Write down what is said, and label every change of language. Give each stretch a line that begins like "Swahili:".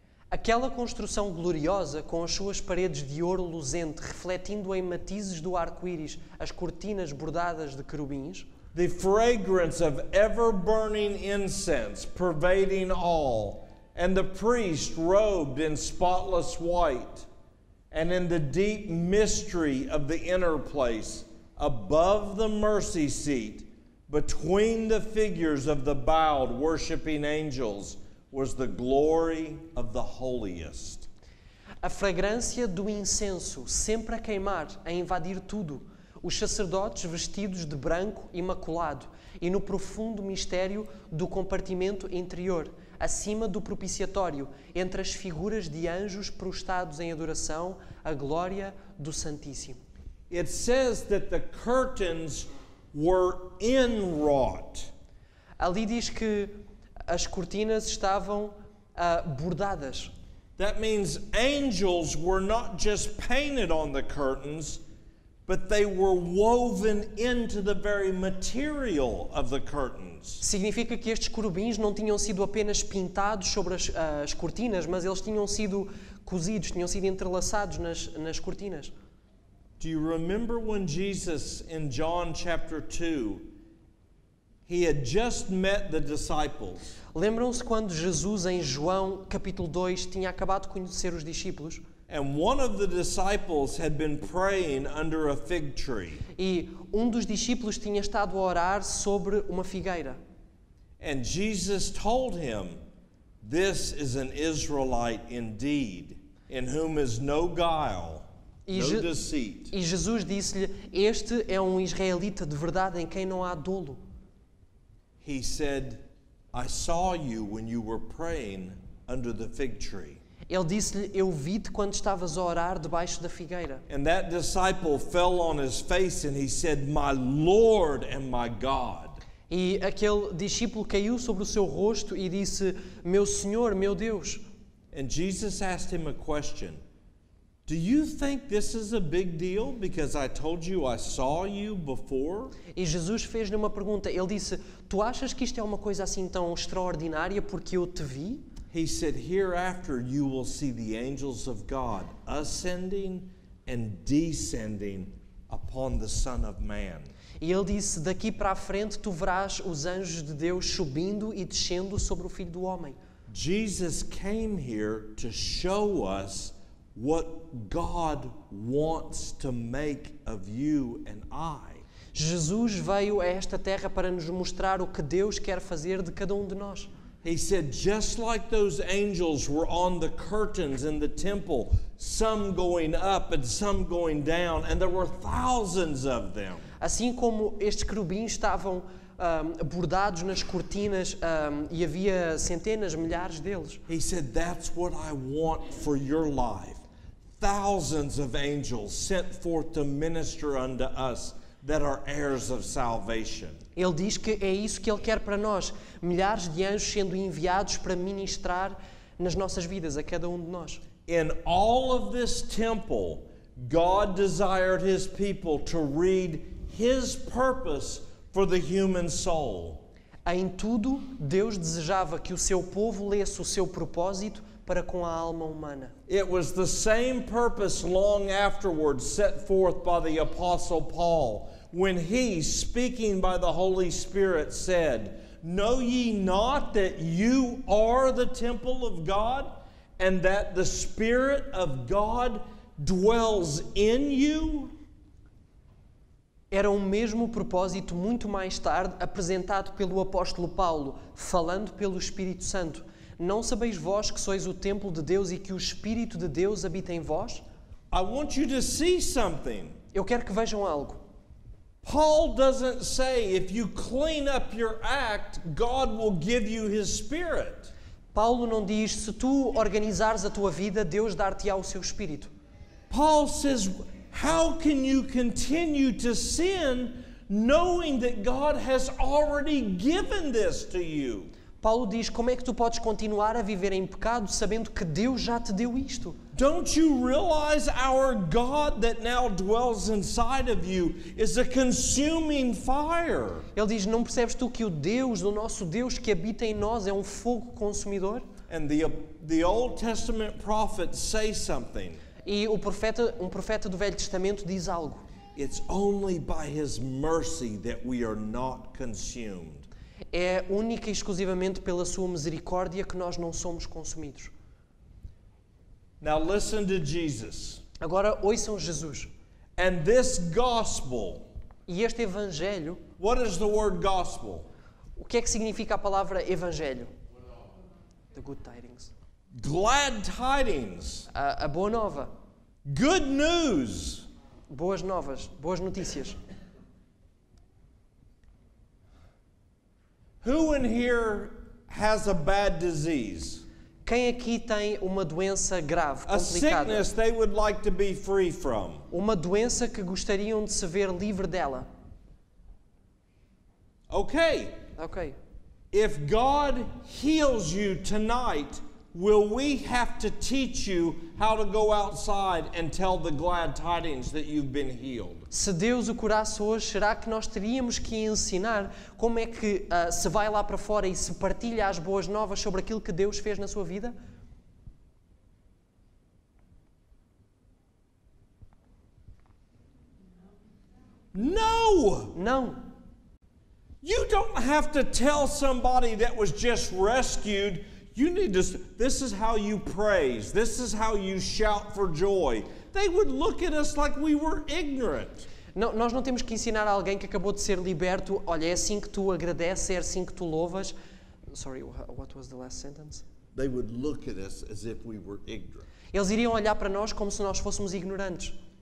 Portuguese: Aquela construção gloriosa, com as suas paredes de ouro luzente, refletindo em matizes do arco-íris as cortinas bordadas de querubins.
English: The fragrance of ever-burning incense pervading all, and the priest robed in spotless white, and in the deep mystery of the inner place, above the mercy seat, between the figures of the bowed worshiping angels, was the glory of the holiest.
Portuguese: A fragrância do incenso, sempre a queimar, a invadir tudo, os sacerdotes vestidos de branco imaculado, e no profundo mistério do compartimento interior, acima do propiciatório, entre as figuras de anjos prostrados em adoração, a glória do Santíssimo.
English: It says that the curtains were inwrought.
Portuguese: Ali diz que as cortinas estavam bordadas.
English: That means angels were not just painted on the curtains, but they were woven into the very material of the curtains.
Portuguese: Significa que estes querubins não tinham sido apenas pintados sobre as cortinas, mas eles tinham sido cozidos, tinham sido entrelaçados nas cortinas.
English: Do you remember when Jesus in John chapter 2, he had just met the disciples?
Portuguese: Lembram-se quando Jesus em João capítulo 2 tinha acabado de conhecer os discípulos?
English: And one of the disciples had been praying under a fig tree.
Portuguese: E um dos discípulos tinha estado a orar sobre uma figueira.
English: And Jesus told him, "This is an Israelite indeed, in whom is no guile, no deceit."
Portuguese: E Jesus disse-lhe, "Este é um israelita de verdade em quem não há dolo."
English: He said, "I saw you when you were praying under the fig tree."
Portuguese: Ele disse-lhe, "Eu vi-te quando estavas a orar debaixo da figueira."
English: And that disciple fell on his face and he said, "My Lord and my God."
Portuguese: E aquele discípulo caiu sobre o seu rosto e disse, "Meu Senhor, meu Deus."
English: And Jesus asked him a question. "Do you think this is a big deal because I told you I saw you before?"
Portuguese: E Jesus fez-lhe uma pergunta. Ele disse, "Tu achas que isto é uma coisa assim tão extraordinária porque eu te vi?"
English: He said, "Hereafter you will see the angels of God ascending and descending upon the Son of Man."
Portuguese: E ele disse, "Daqui para a frente tu verás os anjos de Deus subindo e descendo sobre o Filho do Homem."
English: Jesus came here to show us what God wants to make of you and I.
Portuguese: Jesus veio a esta terra para nos mostrar o que Deus quer fazer de cada um de nós.
English: He said, "Just like those angels were on the curtains in the temple, some going up and some going down, and there were thousands of them."
Portuguese: Assim como estes querubins estavam bordados nas cortinas e havia centenas, milhares deles.
English: He said, "That's what I want for your life. Thousands of angels sent forth to minister unto us that are heirs of salvation."
Portuguese: Ele diz que é isso que ele quer para nós, milhares de anjos sendo enviados para ministrar nas nossas vidas a cada um de nós.
English: In all of this temple, God desired his people to read his purpose for the human soul.
Portuguese: Em tudo, Deus desejava que o seu povo lesse o seu propósito para com a alma humana.
English: It was the same purpose long afterwards set forth by the apostle Paul, when he, speaking by the Holy Spirit, said, "Know ye not that you are the temple of God, and that the Spirit of God dwells in you?"
Portuguese: Era o mesmo propósito muito mais tarde apresentado pelo apóstolo Paulo, falando pelo Espírito Santo. "Não sabeis vós que sois o templo de Deus e que o Espírito de Deus habita em vós?"
English: I want you to see something.
Portuguese: Eu quero que vejam algo.
English: Paul doesn't say if you clean up your act, God will give you his spirit.
Portuguese: Paulo não diz se tu organizares a tua vida, Deus dar-te-á o seu espírito.
English: Paul says, "How can you continue to sin knowing that God has already given this to you.
Portuguese: Paulo diz, como é que tu podes continuar a viver em pecado sabendo que Deus já te deu isto?
English: Don't you realize our God that now dwells inside of you is a consuming fire?
Portuguese: Ele diz, não percebes tu que o Deus, o nosso Deus que habita em nós é um fogo consumidor?
English: And the Old Testament prophet says something.
Portuguese: E o profeta, um profeta do Velho Testamento diz algo.
English: It's only by his mercy that we are not consumed.
Portuguese: É única e exclusivamente pela sua misericórdia que nós não somos consumidos.
English: Now listen to Jesus.
Portuguese: Agora ouçam Jesus.
English: And this gospel.
Portuguese: E este evangelho.
English: What is the word gospel?
Portuguese: O que é que significa a palavra evangelho?
English: The good tidings. Glad tidings.
Portuguese: A boa nova.
English: Good news.
Portuguese: Boas novas, boas notícias.
English: Who in here has a bad disease?
Portuguese: Quem aqui tem uma doença grave, complicada?
English: A sickness they would like to be free from.
Portuguese: Uma doença que gostariam de se ver livre dela.
English: Okay.
Portuguese: Okay.
English: If God heals you tonight, will we have to teach you how to go outside and tell the glad tidings that you've been healed?
Portuguese: Se Deus o curasse hoje, será que nós teríamos que ensinar como é que se vai lá para fora e se partilha as boas novas sobre aquilo que Deus fez na sua vida?
English: No!
Portuguese: Não!
English: You don't have to tell somebody that was just rescued. You need to. This is how you praise. This is how you shout for joy. They would look at us like we were ignorant.
Portuguese: Não, nós não temos que ensinar a alguém que acabou de ser liberto. Olha, é assim que tu agradeces, é assim que tu louvas.
English: Sorry, what was the last sentence? They would look at us as if we were ignorant.
Portuguese: Eles iriam olhar para nós como se nós fôssemos ignorantes.